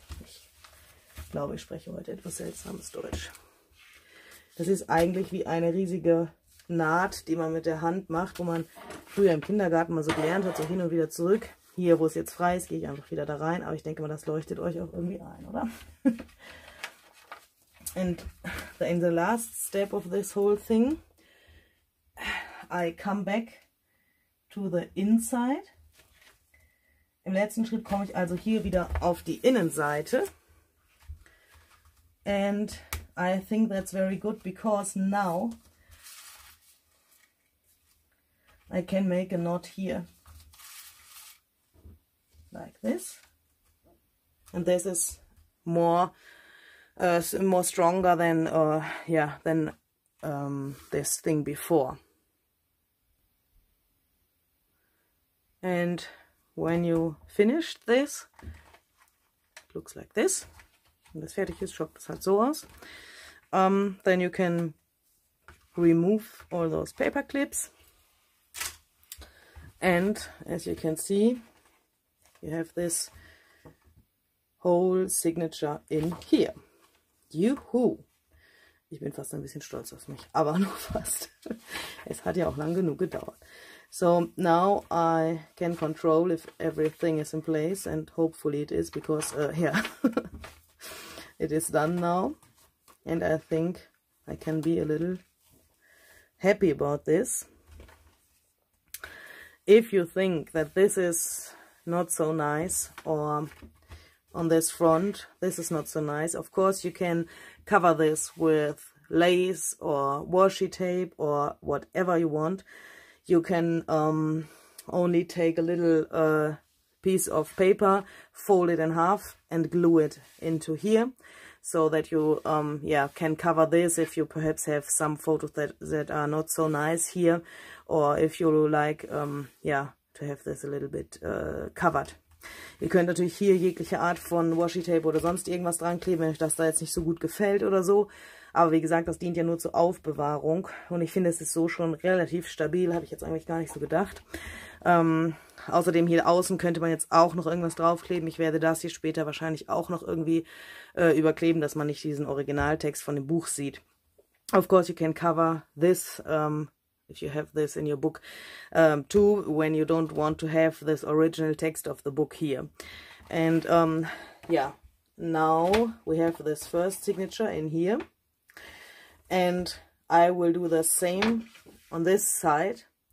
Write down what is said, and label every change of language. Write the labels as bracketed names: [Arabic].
[German] Ich glaube, ich spreche heute etwas seltsames Deutsch. Das ist eigentlich wie eine riesige Naht, die man mit der Hand macht, wo man früher im Kindergarten mal so gelernt hat, so hin und wieder zurück. Hier, wo es jetzt frei ist, gehe ich einfach wieder da rein, aber ich denke mal, das leuchtet euch auch irgendwie ein, oder? [English] And in the last step of this whole thing, I come back to the inside. [German] Im letzten Schritt komme ich also hier wieder auf die Innenseite. [English] And I think that's very good, because now I can make a knot here. Like this. And this is more more stronger than this thing before. And when you finished this, looks like this. [German] Wenn das fertig ist, schaut das halt so aus. [English] Then you can remove all those paper clips. And as you can see, you have this whole signature in here. [German] Juhu! Ich bin fast ein bisschen stolz auf mich, aber nur fast. Es hat ja auch lang genug gedauert. [English] So now I can control if everything is in place, and hopefully it is, because yeah, it is done now, and I think I can be a little happy about this. If you think that this is not so nice, or on this front this is not so nice, of course you can cover this with lace or washi tape or whatever you want. You can only take a little piece of paper, fold it in half and glue it into here, so that you can cover this if you perhaps have some photos that are not so nice here, or if you like to have this a little bit covered. [German] Ihr könnt natürlich hier jegliche Art von Washi Tape oder sonst irgendwas dran kleben, wenn euch das da jetzt nicht so gut gefällt oder so. Aber wie gesagt, das dient ja nur zur Aufbewahrung. Und ich finde, es ist so schon relativ stabil. Habe ich jetzt eigentlich gar nicht so gedacht. Außerdem hier außen könnte man jetzt auch noch irgendwas draufkleben. Ich werde das hier später wahrscheinlich auch noch irgendwie überkleben, dass man nicht diesen Originaltext von dem Buch sieht. [English] Of course, you can cover this if you have this in your book too, when you don't want to have this original text of the book here. And yeah, now we have this first signature in here. And I will do the same on this side.